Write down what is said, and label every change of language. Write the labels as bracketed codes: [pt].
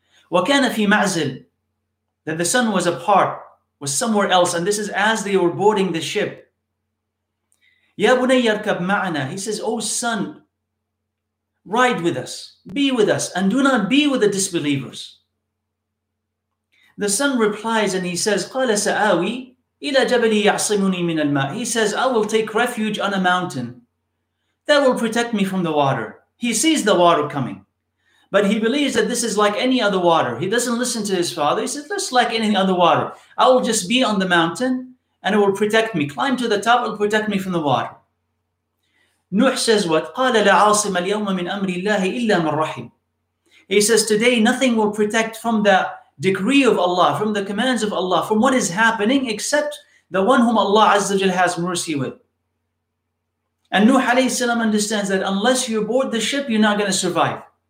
[ar] وَكَانَ فِي مَعْزِلٍ. [en] That the son was apart, was somewhere else. And this is as they were boarding the ship. [ar] يَا بُنَيَّ اَرْكَبْ مَعَنَا. [en] He says, oh son, ride with us, be with us, and do not be with the disbelievers. The son replies and he says, [ar] قَالَ سَآوِي إِلَى جَبَلِي يَعْصِمُنِي مِنَ الْمَاءِ. [en] He says, I will take refuge on a mountain that will protect me from the water. He sees the water coming, but he believes that this is like any other water. He doesn't listen to his father. He says, just like any other water, I will just be on the mountain and it will protect me. Climb to the top, it will protect me from the water. Nuh says what? [ar] قَالَ لَا عَاصِمَ الْيَوْمَ مِنْ أَمْرِ اللَّهِ إِلَّا مَنْ رَحِمٍ. [en] He says, today nothing will protect from the decree of Allah, from the commands of Allah, from what is happening, except the one whom Allah Azza Jal has mercy with. And Nuh alayhi salam understands that unless you board the ship, you're not going to survive.